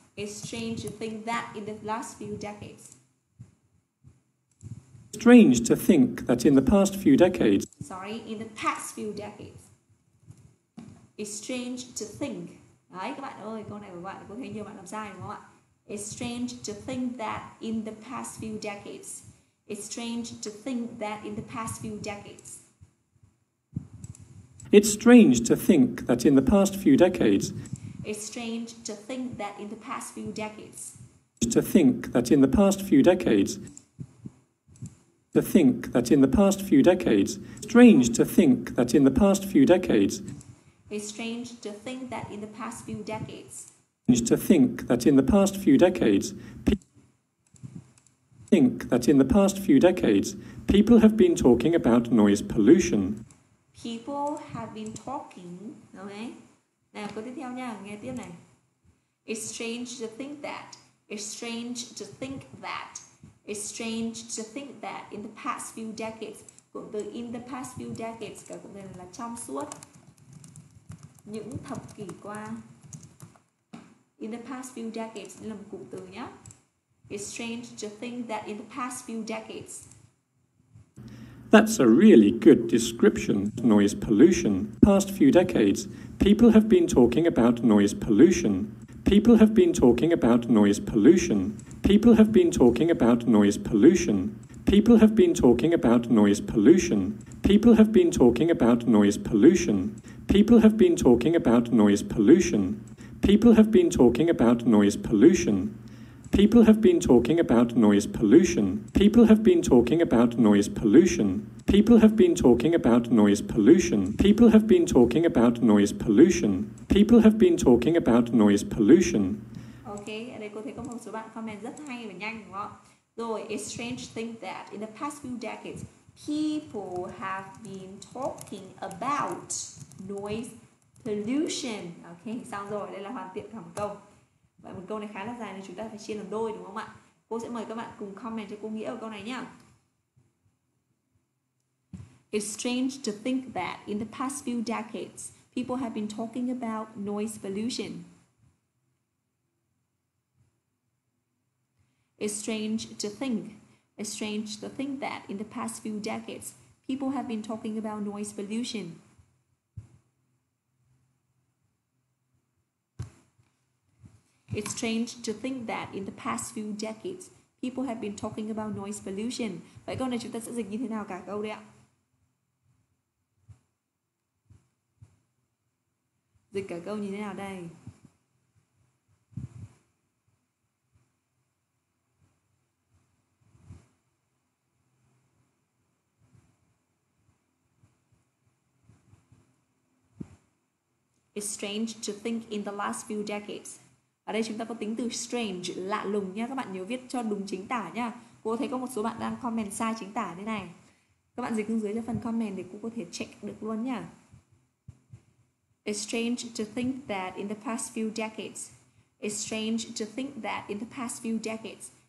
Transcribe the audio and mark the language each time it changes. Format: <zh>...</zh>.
<en>It's strange to think that in the last few decades. Strange to think that in the past few decades. Sorry, in the past few decades. It's strange to think.</en> <vi>Đấy, các bạn ơi, câu này của bạn có thể nhiều bạn làm sai đúng không ạ?</vi> <en>It's strange to think that in the past few decades. It's strange to think that in the past few decades. It's strange to think that in the past few decades. It's strange to think that in the past few decades. To think that in the past few decades. To think that in the past few decades. Strange to think that in the past few decades. It's strange to think that in the past few decades. Strange to think that in the past few decades. Think that in the past few decades, people have been talking about noise pollution. People have been talking, okay?</en> <vi>Nào, câu tiếp theo nha, nghe tiếp này.</vi> <en>It's strange to think that. It's strange to think that. It's strange to think that in the past few decades.</en> <vi>Cụm từ</vi> <en>in the past few decades,</en> <vi>cả cụm từ là trong suốt những thập kỷ qua.</vi> <en>In the past few decades,</en> <vi>là một cụm từ nhá.</vi> <en>It's strange to think that in the past few decades. That's a really good description, noise pollution. Past few decades, people have been talking about noise pollution. People have been talking about noise pollution. People have been talking about noise pollution. People have been talking about noise pollution. People have been talking about noise pollution. People have been talking about noise pollution. People have been talking about noise pollution. People have been talking about noise pollution. People have been talking about noise pollution. People have been talking about noise pollution. People have been talking about noise pollution. People have been talking about noise pollution.</en> <vi>Okay, ở đây cô thấy có một số bạn comment rất hay và nhanh đúng không? Rồi,</vi> <en>it's strange to think that in the past few decades, people have been talking about noise pollution.</en> <vi>Okay, xong rồi, đây là hoàn thiện thẳng câu. Vậy một câu này khá là dài nên chúng ta phải chia làm đôi đúng không ạ? Cô sẽ mời các bạn cùng comment cho cô nghĩa của câu này nhé.</vi> <en>It's strange to think that in the past few decades, people have been talking about noise pollution. It's strange to think that in the past few decades, people have been talking about noise pollution. It's strange to think that in the past few decades, people have been talking about noise pollution.</en> <vi>Vậy câu này chúng ta sẽ dịch như thế nào cả câu đấy ạ? Dịch cả câu như thế nào đây?</vi> <en>It's strange to think in the last few decades.</en> <vi>Ở đây chúng ta có tính từ strange, lạ lùng nha. Các bạn nhớ viết cho đúng chính tả nha. Cô thấy có một số bạn đang comment sai chính tả thế này. Các bạn dịch dưới cho phần comment để cô có thể check được luôn nha.</vi> <en>It's strange to think that in the past few decades. It's strange to think that in the past few decades.</en>